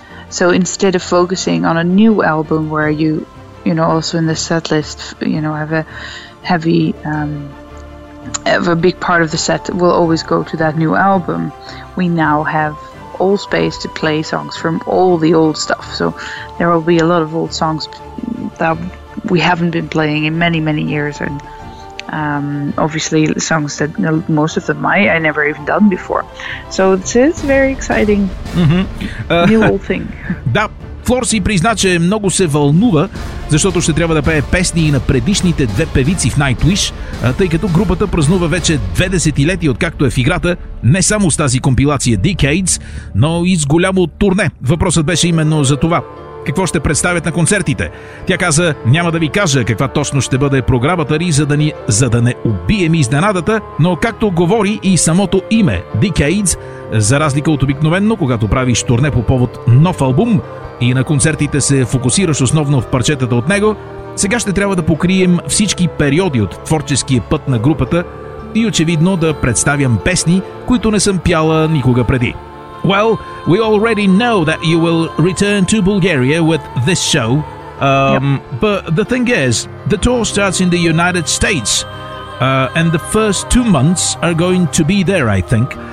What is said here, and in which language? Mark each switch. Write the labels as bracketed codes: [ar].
[en] So instead of focusing on a new album where you know, also in the set list, you know, have a heavy, have a big part of the set will always go to that new album, we now have all space to play songs from all the old stuff. So there will be a lot of old songs that we haven't been playing in many, many years, and obviously songs that, you know, most of them I never even done before. So it's very exciting. Mm-hmm. New old thing. [bg] Да, Флор си призна, че много се вълнува, защото ще трябва да пее песни и на предишните две певици в Nightwish, тъй като групата празнува вече 2 десетилетия откакто е в играта, не само с тази компилация Decades, но и с голямо турне. Въпросът беше именно за това. Какво ще представят на концертите? Тя каза: няма да ви кажа каква точно ще бъде програмата ни, за да не убием изненадата, но както говори и самото име Decades, за разлика от обикновено, когато правиш турне по повод нов албум и на концертите се фокусираш основно в парчетата от него, сега ще трябва да покрием всички периоди от творческия път на групата и очевидно да представям песни, които не съм пяла никога преди. [en] Well, we already know that you will return to Bulgaria with this show. But the thing is, the tour starts in the United States, and the first 2 months are going to be there, I think.